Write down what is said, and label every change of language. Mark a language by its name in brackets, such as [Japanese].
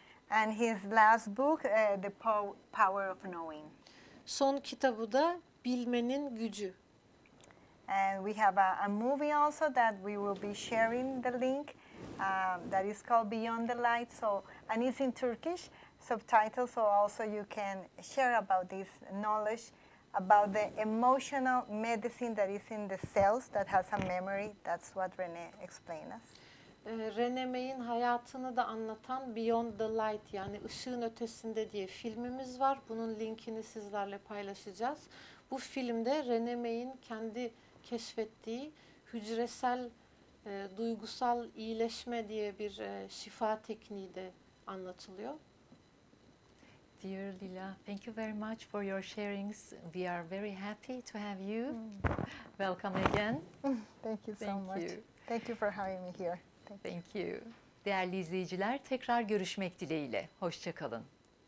[English] And his last book, The Power of Knowing. [Turkish] Son kitabı da Bilmenin Gücü. [English] And we have a movie also that we will be sharing the link that is called Beyond the Light. So, and it's in Turkish subtitles, so also you can share about this knowledge about the emotional medicine that is in the cells that has a memory. That's what Rene explained us. [Turkish] Rene May'in hayatını da anlatan Beyond the Light, yani ışığın ötesinde diye filmimiz var. Bunun linkini sizlerle paylaşacağız. Bu filmde Rene May'in kendi keşfettiği hücresel duygusal iyileşme diye bir şifa tekniği de anlatılıyor. [English] Dear Lila, thank you very much for your sharings. We are very happy to have you. Welcome again. Thank you so much. Thank you for having me here. Thank you. [Turkish] Değerli izleyiciler, tekrar görüşmek dileğiyle. Hoşça kalın.